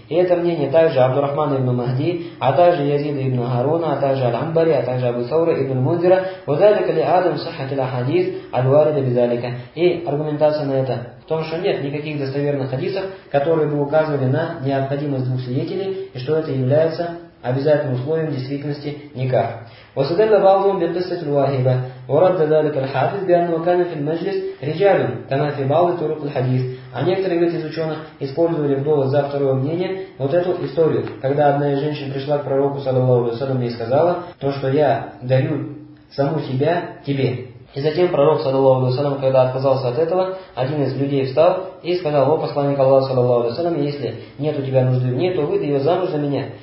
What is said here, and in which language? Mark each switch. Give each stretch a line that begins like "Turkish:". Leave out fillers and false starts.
Russian: И это мнение также Абдурахмана ибн Махди, а также Язида ибн Харуна, а также Аль-Амбари, а также Абу-Саура ибн Мундзира.
Arabic: «Вазалика ли адам сахат ил-ахадис аль-варида бизалика».
Russian: И аргументация на это в том, что нет никаких достоверных хадисов, которые бы указывали на необходимость двух свидетелей, и что это является обязательным условием действительности никах.
Arabic: وصدل بعضهم بقصة الواهبة ورد ذلك الحافظ بأنه كان في المجلس رجال كما في بعض طرق الحديث.
Russian: А некоторые из ученых использовали в довод за второе мнение вот эту историю, когда одна из женщин пришла к пророку саллаллаху алейхи ва саллям и сказала то, что я дарю саму себя тебе. И затем пророк, саллаллаху алейхи ва саллям, когда отказался от этого, один из людей встал и сказал: «О, посланник Аллаха, саллаллаху алейхи ва саллям, если нет у тебя нужды в ней, то выдай ее замуж за меня».